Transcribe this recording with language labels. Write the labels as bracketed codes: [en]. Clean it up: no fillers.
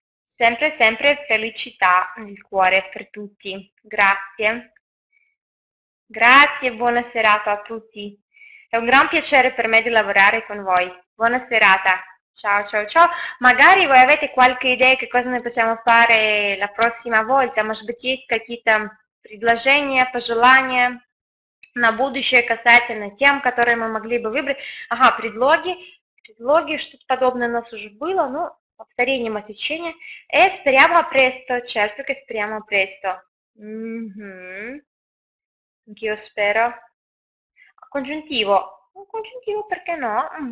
[it] Sempre, sempre felicità nel cuore per tutti. Grazie. Grazie, buona serata a tutti. È un gran piacere per me di lavorare con voi. Buona serata. Ciao, ciao, ciao. Magari voi avete qualche idea che cosa noi possiamo fare la prossima volta. [ru] Может быть, есть какие-то предложения, пожелания на будущее касательно тем, которые мы могли бы выбрать. Ага, предлоги. Предлоги, что-то подобное у нас уже было, но повторением отвлечения. [it] Esperiamo presto, certo che speriamo presto. Io spero. Congiuntivo. Congiuntivo, perché no?